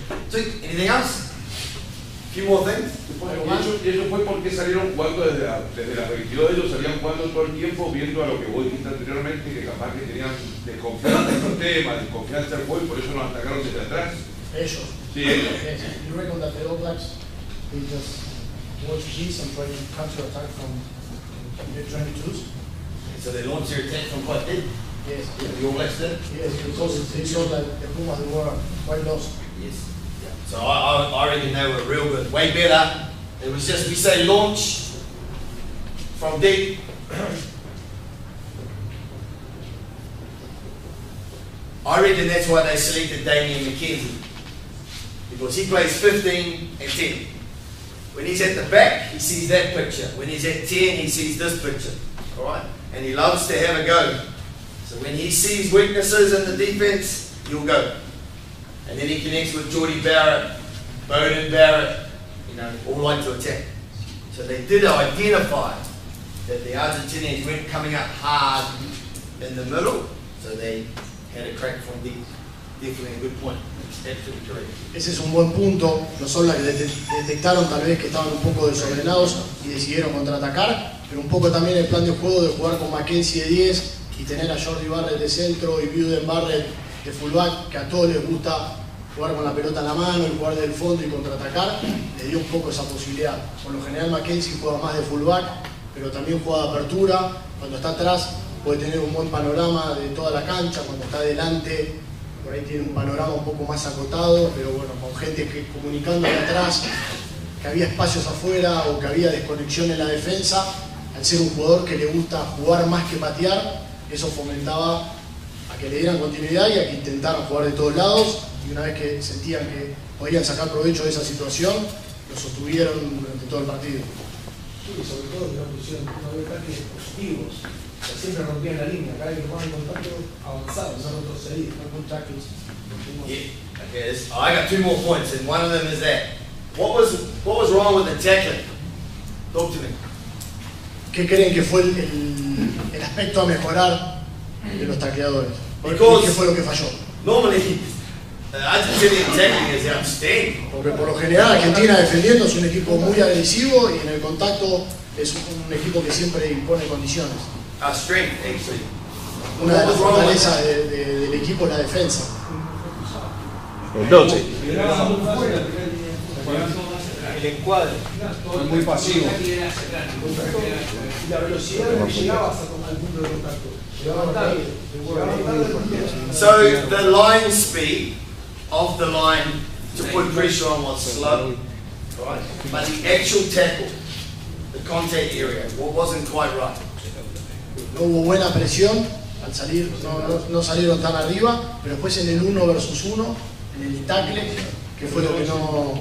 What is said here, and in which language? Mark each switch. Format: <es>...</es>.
<en>¿Anything else?</en> <es>¿Qué más? Eso fue porque salieron jugando desde la 22, ellos salían jugando todo el tiempo viendo a lo que vos dijiste anteriormente, que capaz que tenían desconfianza en el tema, desconfianza en el juego, por eso nos atacaron desde atrás. Ellos. Sí, ellos. Sí, sí.</es> <en>We just watch this and try to counter attack from the 22s. So they launched their attack from quite deep? Yes. Yeah, you all left it? Yes, because they saw that the Pumas were quite lost. Yes. Yeah. So I reckon they were real good, way better. It was just, we say launch from deep. I reckon that's why they selected Damian McKenzie. Because he plays 15 and 10. When he's at the back, he sees that picture. When he's at 10, he sees this picture. All right? And he loves to have a go. So when he sees weaknesses in the defense, he'll go. And then he connects with Jordy Barrett, Bowden Barrett, you know, all like to attack. So they did identify that the Argentinians weren't coming up hard in the middle, so they had a crack from deep.</en> <es>Ese es un buen punto. Los soldados que detectaron tal vez que estaban un poco desordenados y decidieron contraatacar, pero un poco también el plan de juego de jugar con McKenzie de 10 y tener a Jordy Barrett de centro y Buden Barrett de fullback, que a todos les gusta jugar con la pelota en la mano y jugar del fondo y contraatacar, le dio un poco esa posibilidad. Por lo general McKenzie juega más de fullback, pero también juega de apertura. Cuando está atrás puede tener un buen panorama de toda la cancha, cuando está adelante por ahí tiene un panorama un poco más acotado, pero bueno, con gente que comunicando de atrás que había espacios afuera o que había desconexión en la defensa, al ser un jugador que le gusta jugar más que patear, eso fomentaba a que le dieran continuidad y a que intentaran jugar de todos lados, y una vez que sentían que podían sacar provecho de esa situación, lo sostuvieron durante todo el partido. Sí, sobre todo en la posición, no había ataques positivos. Siempre rompían la línea, cada vez que tomaban contacto avanzaban, no retrocedían, no contactos.</es> <en>Yeah. Okay, this, oh, I got two more points, and one of them is that. What was wrong with the tackle? Talk to me.</en> <es>¿Qué creen que fue el aspecto a mejorar de los tacleadores? ¿Qué fue lo que falló?</es> <en>Normally, Argentinian tackling is outstanding.</en> <es>Porque por lo general, Argentina defendiendo es un equipo muy agresivo y en el contacto es un equipo que siempre impone condiciones.</es> <en>Our strength, actually.</en> <es>Una de las fortalezas del equipo es la defensa. Entonces, el encuadre es muy pasivo. La velocidad de que llegabas a tomar el punto de contacto.</es> <en>So the line speed of the line to put pressure on was slow, but the actual tackle, the contact area, wasn't quite right.</en> <es>No hubo buena presión al salir, no salieron tan arriba, pero después en el uno versus uno, en el tackle, que fue lo que no.</es>